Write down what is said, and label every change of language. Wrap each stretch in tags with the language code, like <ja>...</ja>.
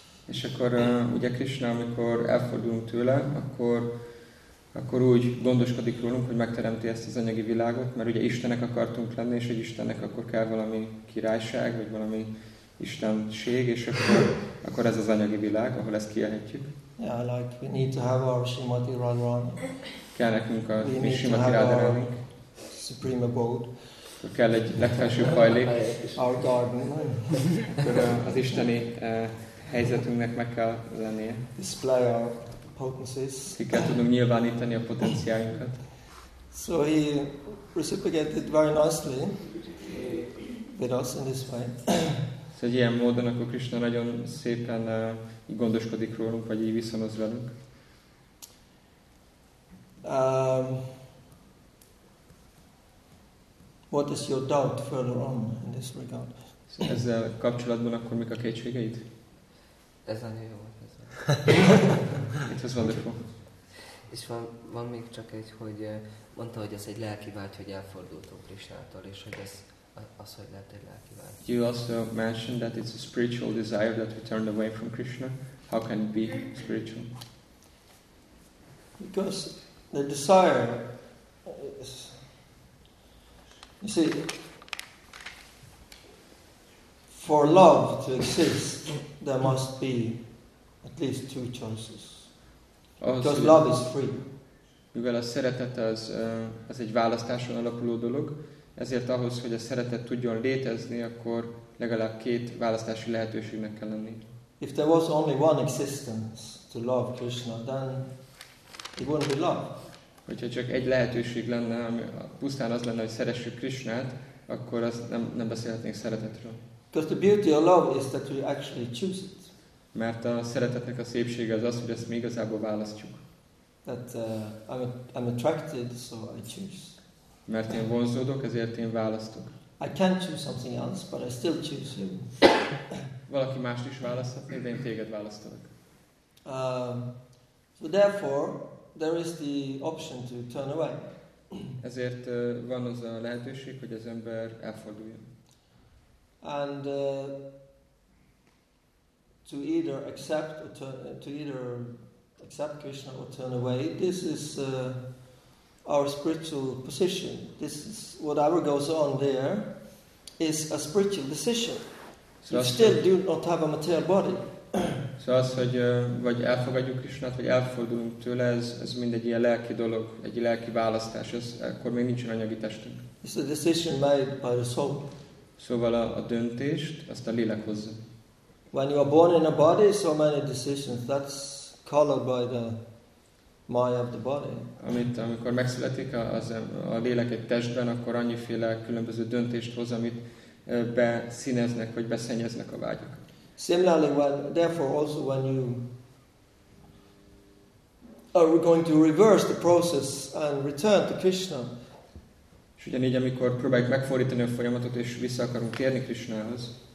<hu>És akkor ugye Krishna, amikor elfordulunk tőle, akkor úgy gondoskodik rólunk, hogy megteremti ezt az anyagi világot, mert ugye Istenek akartunk lenni, és egy Istennek akkor kell valami királyság, vagy valami istenség, és akkor ez az anyagi világ, ahol ezt kielhetjük.</hu> <en>Yeah, like we need to have our Srimati Radharani.</en> <hu>Kell nekünk a Srimati Radharani.</hu> <en>Supreme abode.</en> <hu>Akkor kell egy legfelső hajlék.</hu> <en>Our garden.</en> <hu>Akkor az isteni helyzetünknek meg kell lennie.</hu> <en>Display our potencies.</en> <hu>Ki kell tudnunk nyilvánítani a potenciáinkat.</hu> <en>So he reciprocated very nicely with us in this way.</en> <hu>So egy ilyen módon akkor Krishna nagyon szépen gondoskodik rólunk, vagy így viszonoz velünk.</hu> <en>What is your doubt further on in this regard?</en> <hu>So ezzel kapcsolatban akkor mik a kétségeid? Ez a nő jó.</hu> <en>It was wonderful.</en> <hu>És van még csak egy, hogy mondta, hogy ez egy lelki vágy, hogy elfordultunk Krisnától, és hogy ez az, hogy lett egy lelki vágy.</hu> <en>You also mentioned that it's a spiritual desire that we turned away from Krishna. How can it be spiritual? Because the desire is, you see, for love to exist, there must be at least two choices. Because love is free.</en> <hu>Mivel a szeretet az egy választáson alapuló dolog, ezért ahhoz, hogy a szeretet tudjon létezni, akkor legalább két választási lehetőségnek kell lenni.</hu> <en>If there was only one existence to love Krishna, then it wouldn't be love.</en> <hu>Hogyha csak egy lehetőség lenne, ami pusztán az lenne, hogy szeressük Krishnát, akkor az nem beszélhetnénk szeretetről.</hu> <en>Because the beauty of love is that we actually choose it.</en> <hu>Mert a szeretetnek a szépsége az, hogy ezt mi igazából választjuk.</hu> <en>That I'm attracted, so I choose.</en> <hu>Mert én vonzódok, ezért én választok.</hu> <en>I can choose something else, but I still choose you.</en> <hu>Valaki mást is választhatné, de én téged választalak.</hu> <en>So therefore, there is the option to turn away.</en> <hu>Ezért van az a lehetőség, hogy az ember elforduljon.</hu> <en>And to either accept or to either accept Krishna or turn away. This is our spiritual position. This is whatever goes on there is a spiritual decision. So you still do not have a material body.</en> <hu>So az, hogy vagy elfogadjuk Krishnát, vagy elfordulunk tőle, ez mindegy ilyen lelki dolog, egy lelki választás, ez akkor még nincsen anyagi testünk.</hu> <en>It's a decision made by the soul.</en> <hu>Szóval a döntést, azt a lélek hozza.</hu> <en>When you are born in a body, so many decisions, that's colored by the maya of the body.</en> <hu>Amikor megszületik a lélek egy testben, akkor annyiféle különböző döntést hoz, amit beszíneznek, vagy beszennyeznek a vágyak.</hu> <en>Similarly, therefore also when you are going to reverse the process and return to Krishna.</en> <hu>És ugyanígy, amikor próbáljuk megfordítani a folyamatot, és vissza akarunk térni Krishnához.</hu>